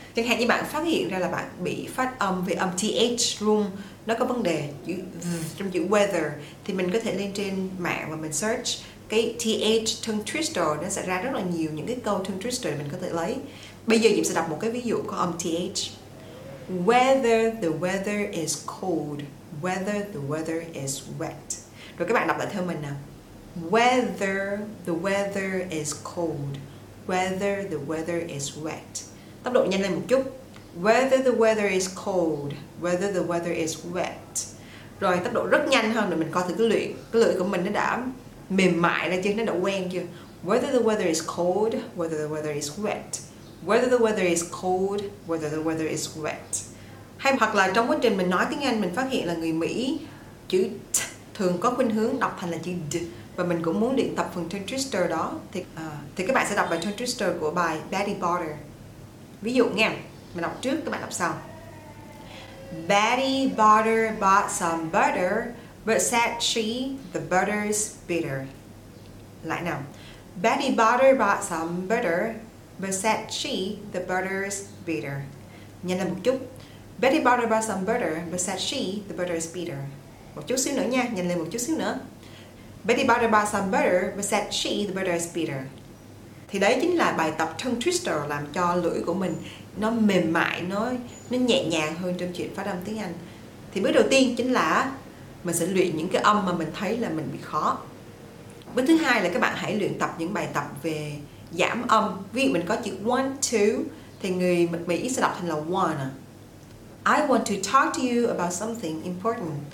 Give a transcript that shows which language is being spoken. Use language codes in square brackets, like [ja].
[vi] Chẳng hạn như bạn phát hiện ra là bạn bị phát âm về âm th luôn, nó có vấn đề chữ trong chữ weather, thì mình có thể lên trên mạng và mình search cái TH tongue twister, nó sẽ ra rất là nhiều những cái câu tongue twister mình có thể lấy. Bây giờ Diễm sẽ đọc một cái ví dụ có âm TH. [en] Whether the weather is cold, whether the weather is wet. [vi] Rồi các bạn đọc lại theo mình nào. [en] Whether the weather is cold, whether the weather is wet. [vi] Tốc độ nhanh lên một chút. [en] Whether the weather is cold, whether the weather is wet. [vi] Rồi tốc độ rất nhanh hơn, rồi mình coi thử cái lưỡi của mình nó đã mềm mại ra chứ, nó đã quen chưa. [en] Whether the weather is cold, whether the weather is wet. Whether the weather is cold, whether the weather is wet. [vi] Hay hoặc là trong quá trình mình nói tiếng Anh, mình phát hiện là người Mỹ chữ t thường có khuynh hướng đọc thành là chữ d, và mình cũng muốn luyện tập phần tongue twister đó, thì các bạn sẽ đọc bài tongue twister của bài Betty Botter. Ví dụ nghe, mình đọc trước các bạn đọc sau. [en] Betty Botter bought some butter, but said she, the butter's bitter. [vi] Lại nào. [en] Betty Butter bought some butter, but said she the butter's bitter. [vi] Nhanh lên một chút. [en] Betty Butter bought some butter, but said she the butter's bitter. [vi] Một chút xíu nữa nha, nhanh lên một chút xíu nữa. [en] Betty Butter bought some butter, but said she the butter's bitter. [vi] Thì đấy chính là bài tập tongue twister làm cho lưỡi của mình nó mềm mại, nó nhẹ nhàng hơn trong chuyện phát âm tiếng Anh. Thì bước đầu tiên chính là mình sẽ luyện những cái âm mà mình thấy là mình bị khó. Bước thứ hai là các bạn hãy luyện tập những bài tập về giảm âm. Ví dụ mình có chữ 1, 2 thì người Mỹ sẽ đọc thành là 1. [en] I want to talk to you about something important.